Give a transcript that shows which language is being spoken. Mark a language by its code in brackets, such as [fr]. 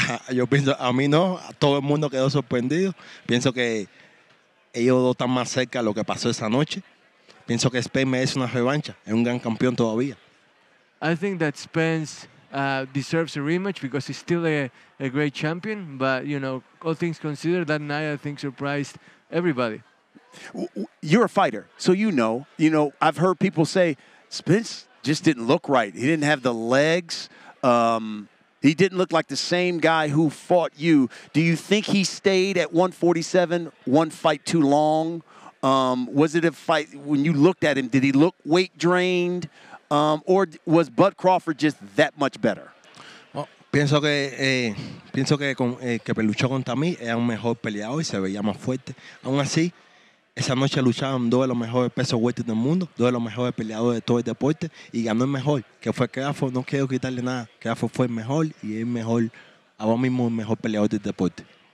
[es] Yo pienso, a mí no, a todo el mundo quedó sorprendido. Pienso que ellos dos están más cerca de lo que pasó esa noche. Pienso que Spence merece una revancha. Es un gran campeón todavía. [en] I think that Spence deserves a rematch because he's still a great champion. But, you know, all things considered, that night I think surprised everybody. You're a fighter, so you know, I've heard people say Spence just didn't look right. He didn't have the legs. He didn't look like the same guy who fought you. Do you think he stayed at 147, one fight too long? Was it a fight, when you looked at him, did he look weight drained? Or was Bud Crawford just that much better? [es] Pienso que peluchó contra mí, era un mejor peleador y se veía más fuerte. Aún así, esa noche lucharon dos de los mejores pesos welter del mundo, dos de los mejores peleadores de todo el deporte, y ganó el mejor, que fue Crawford. No quiero quitarle nada. Crawford fue el mejor, y es mejor, ahora mismo el mejor peleador del deporte.